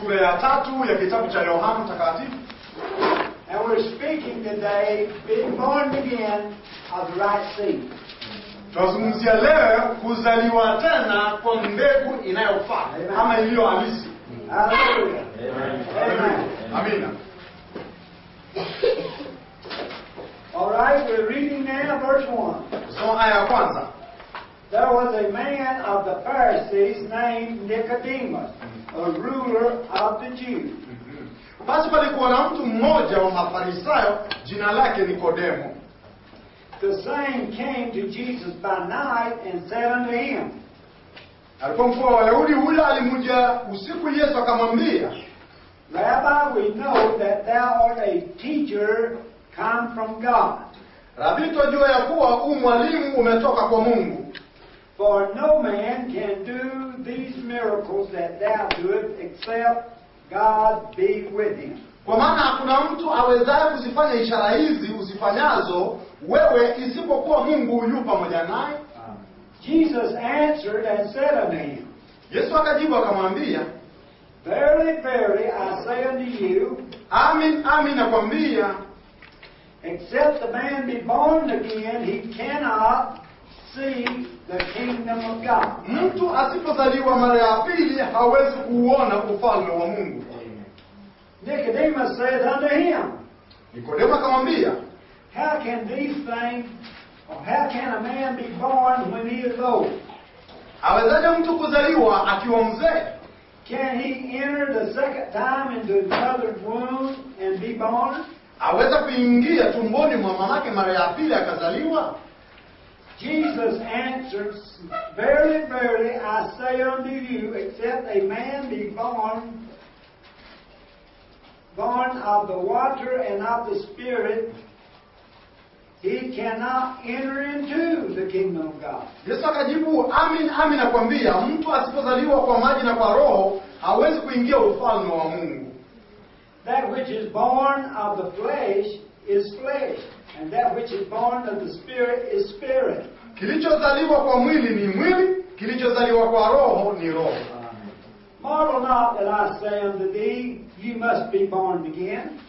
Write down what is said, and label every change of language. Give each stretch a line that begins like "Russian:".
Swahili: Sura ya tatu ya kitabu cha Yohana Mtakatifu.
English: And we're speaking today, being born again, of the right seed.
Swahili: Tunazungumzia leo kuzaliwa tena kwa mbegu inayofaa, kama iliyo halisi.
English: Hallelujah. Amen. Amen. All right, we're reading now verse 1.
Swahili: So, aya kwanza.
English: There was a man of the Pharisees named Nicodemus, a ruler of the Jews.
Swahili: Basi palikuwa na mtu mmoja wa Mafarisayo jina lake Nikodemo.
English: The same came to Jesus by night and said unto him.
Swahili: Alipomfua Wayahudi huyo alimuja usiku Yesu akamwambia,
English: Rabbi, we know that thou art a teacher come from God.
Swahili: Rabbi, twajua ya kuwa u mwalimu umetoka kwa Mungu.
English: For no man can do these miracles that thou doest except God be with him.
Swahili: Kwa maana hakuna mtu awezaye kuzifanya ishara hizi uzifanyazo wewe isipokuwa Mungu yu pamoja naye.
English: Jesus answered and said unto him.
Swahili: Yesu akajibu akamwambia,
English: Verily, verily, I say unto you,
Swahili: Amen, amen, nakwambia,
English: except the man be born again, he cannot see the kingdom of God.
Swahili: Mtu asipozaliwa mara ya pili hawezi kuona ufalme wa Mungu.
English: Nicodemus said unto him,
Swahili: Nicodemus akamwambia,
English: How can these things, or how can a man be born when he is old?
Swahili: Awezaje mtu kuzaliwa akiwa mzee?
English: Can he enter the second time into his mother's womb and be born?
Swahili: Aweza kuingia tumboni mwa mamake mara ya pili akazaliwa?
English: Jesus answers, Verily, verily, I say unto you, except a man be born of the water and of the Spirit, he cannot enter into the kingdom of God.
Swahili: Yesu akajibu, Amen, amen, nakwambia, mtu asipozaliwa kwa maji na kwa roho, hawezi kuingia ufalme wa Mungu.
English: That which is born of the flesh is flesh, and that which is born of the Spirit is spirit.
Swahili: Kilichozaliwa kwa mwili ni mwili, kilichozaliwa kwa roho ni roho.
English: Marvel not that I say unto thee, you must be born again.